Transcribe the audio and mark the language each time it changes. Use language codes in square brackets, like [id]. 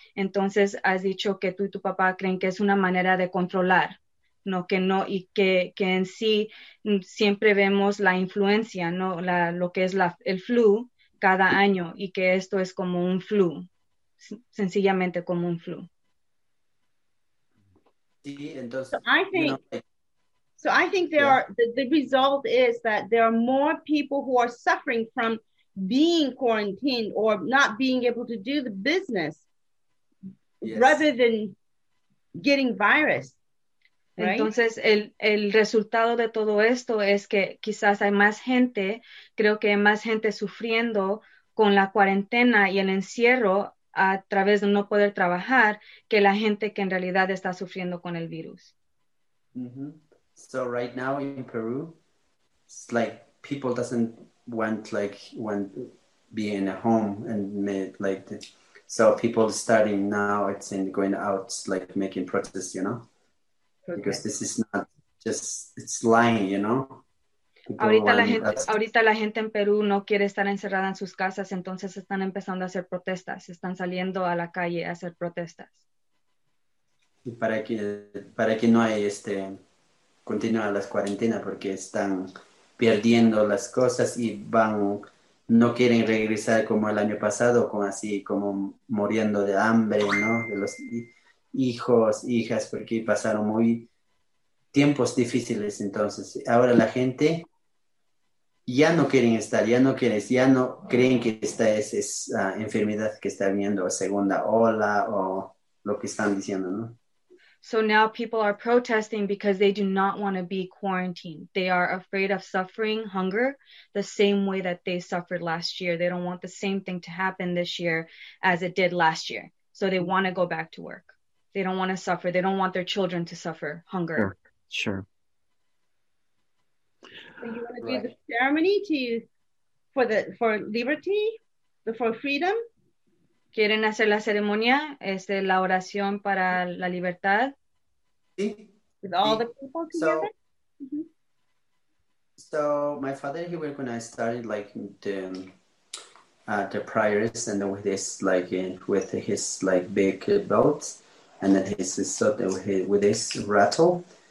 [es] Entonces, has dicho que tú y tu papá creen que es una manera de controlar, ¿no? Que no, y que en sí siempre vemos la influencia, ¿no? Lo que es el flu cada año y que esto es como un flu, sencillamente como un flu. [en] So I think the result is that there are more people who are suffering from being quarantined or not being able to do the business, yes, rather than getting virus. Right? [es] Entonces el resultado de todo esto es que quizás hay más gente, creo que hay más gente sufriendo con la cuarentena y el encierro a través de no poder trabajar que la gente que en realidad está sufriendo con el virus. Mm-hmm. [en] So right now in Peru, it's like people doesn't want like want be in a home and made like the, so people starting now it's in going out like making protests, you know, okay. Because this is not just it's lying, you know. [es] Ahorita la gente en Perú no quiere estar encerrada en sus casas, entonces están empezando a hacer protestas, están saliendo a la calle a hacer protestas. Y para que no haya continúa las cuarentenas porque están perdiendo las cosas y van no quieren regresar como el año pasado, como así como muriendo de hambre, ¿no? De los hijos, hijas, porque pasaron muy tiempos difíciles, entonces ahora la gente ya no quieren estar, ya no quieren, ya no creen que esta es esa enfermedad que está viendo, segunda ola o lo que están diciendo, ¿no? [en] So now people are protesting because they do not want to be quarantined. They are afraid of suffering hunger the same way that they suffered last year. They don't want the same thing to happen this year as it did last year. So they want to go back to work. They don't want to suffer. They don't want their children to suffer hunger. Sure. Sure. So you want to do the ceremony for liberty, for freedom? [es] ¿Quieren hacer la ceremonia, la oración para la libertad? Sí. [en] With all the people together? So, mm-hmm. So my father, he was when I started like the prayers and with his like with his like big belt and then his sort with his rattle.